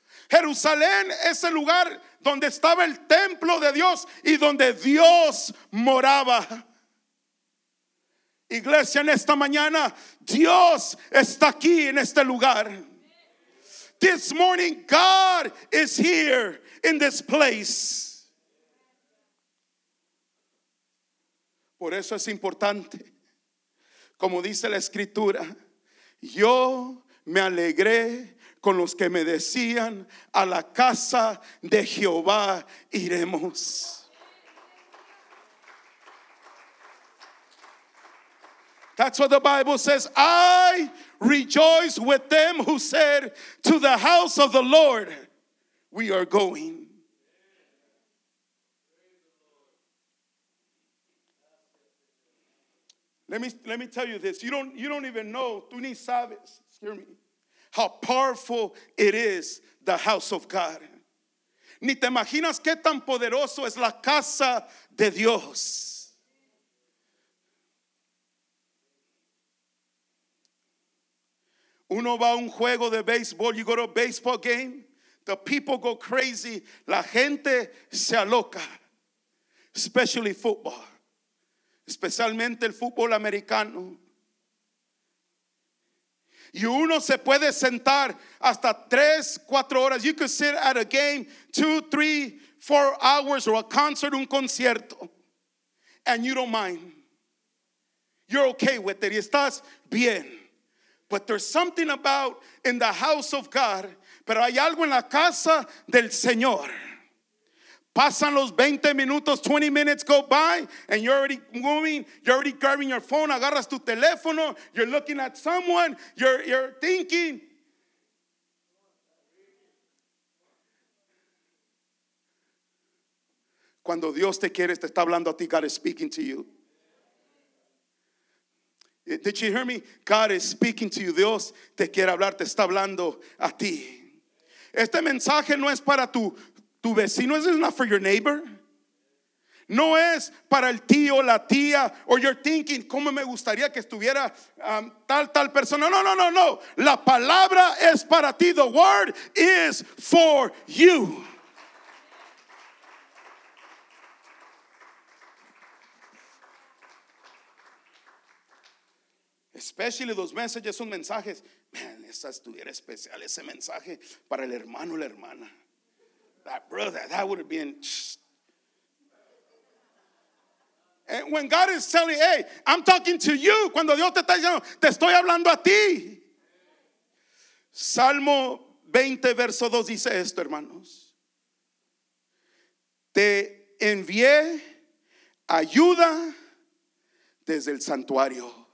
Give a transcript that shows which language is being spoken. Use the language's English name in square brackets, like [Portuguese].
[Spanish] Jerusalén es el lugar donde estaba el templo de Dios y donde Dios moraba. Iglesia, en esta mañana, Dios está aquí en este lugar. [English] This morning, God is here in this place. [Spanish] Por eso es importante. Como dice la escritura, yo me alegré con los que me decían, a la casa de Jehová iremos. [English] That's what the Bible says. I rejoice with them who said, to the house of the Lord we are going. Let me tell you this. You don't even know. [Spanish] Tú ni sabes. [English] Excuse me. How powerful it is, the house of God. [Spanish] Ni te imaginas qué tan poderoso es la casa de Dios. Uno va a un juego de béisbol. [English] You go to a baseball game. The people go crazy. [Spanish] La gente se aloca. [English] Especially football. [Spanish] Especialmente el fútbol americano. Y uno se puede sentar hasta 3-4 horas. [English] You could sit at a game 2-3-4 hours, or a concert, [Spanish] un concierto, [English] and you don't mind. You're okay with it. [Spanish] Y estás bien. [English] But there's something about in the house of God. [Spanish] Pero hay algo en la casa del Señor. Pasan los 20 minutos, [English] 20 minutes go by, and you're already moving, you're already grabbing your phone, [Spanish] agarras tu teléfono, [English] you're looking at someone, you're thinking. [Spanish] Cuando Dios te quiere, te está hablando a ti, [English] God is speaking to you. Did you hear me? God is speaking to you. [Spanish] Dios te quiere hablar, te está hablando a ti. Este mensaje no es para tu vecino. [English] This is not for your neighbor. [Spanish] No es para el tío, la tía, [English] or you're thinking, [Spanish] ¿cómo me gustaría que estuviera tal persona? No, no, no, no. La palabra es para ti. [English] The word is for you. Especially those messages, [Spanish] esos mensajes. Man, esa estuviera especial, ese mensaje para el hermano o la hermana. [English] That brother, that would have been. And when God is telling, hey, I'm talking to you. [Spanish] Cuando Dios te está diciendo, te estoy hablando a ti. Salmo 20, verso 2 dice esto, hermanos. Te envié ayuda desde el santuario.